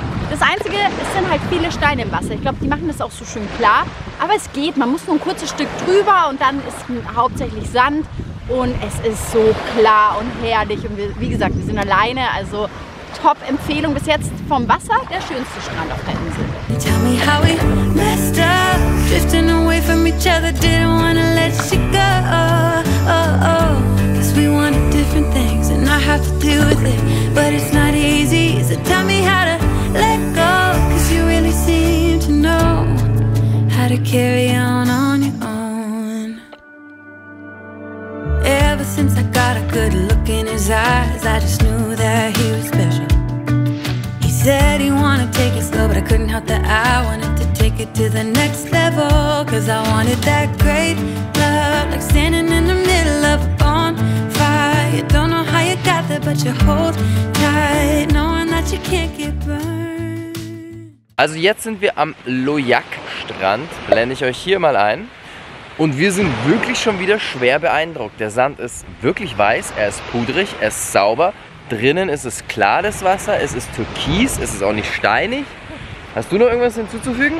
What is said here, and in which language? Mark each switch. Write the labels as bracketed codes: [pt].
[de] Das Einzige, es sind halt viele Steine im Wasser. Ich glaube, die machen das auch so schön klar. Aber es geht. Man muss nur ein kurzes Stück drüber und dann ist hauptsächlich Sand. Und es ist so klar und herrlich. Und wie gesagt, wir sind alleine. Also Top-Empfehlung bis jetzt vom Wasser. Der schönste Strand auf der Insel. [en] Tell me how we messed up. Drifting away from each other. Didn't wanna let you go. Oh, oh, oh. Cause we wanted different things. And I have to deal with it. But it's not easy. So tell me how to let go. Cause you really seem to know how to carry on your own. Since I got a good look in his eyes, I just knew that he was special. He said he wanted to take it slow, but I couldn't help that I wanted to take it to the next level. Cause I wanted that great love, like standing in the middle of a bonfire. Don't know how you got there, but you hold tight, knowing that you can't get burned. [de] Also jetzt sind wir am Loh Yak Strand, blende ich euch hier mal ein. Und wir sind wirklich schon wieder schwer beeindruckt. Der Sand ist wirklich weiß, er ist pudrig, er ist sauber. Drinnen ist es klar, das Wasser. Es ist türkis, es ist auch nicht steinig. Hast du noch irgendwas hinzuzufügen?